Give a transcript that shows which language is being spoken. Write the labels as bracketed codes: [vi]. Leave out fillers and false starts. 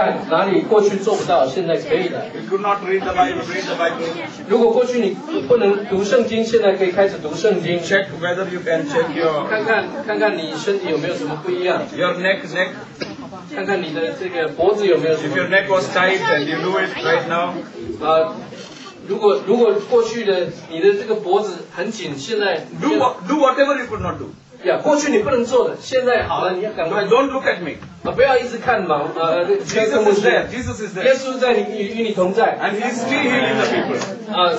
[zh] 哪里过去做不到，现在可以的。 [en] You could not read the Bible, read the Bible. [zh] 如果过去你不能读圣经，现在可以开始读圣经。 [en] Check whether you can check your. [zh] 看看你身体有没有什么不一样。 [en] Your neck. [zh] 看看你的这个脖子有没有什么。 [en] If your neck was tight and you knew it right now. [zh] 如果过去的你的这个脖子很紧，现在。 [en] Do whatever you could not do. [zh] Yeah, 过去你不能做的，现在好了，你要赶快。 [en] Don't look at me. [zh] 不要一直看嘛。 [en] Jesus is there. [zh] 耶稣在你与你同在。 [en] And he's still healing the people.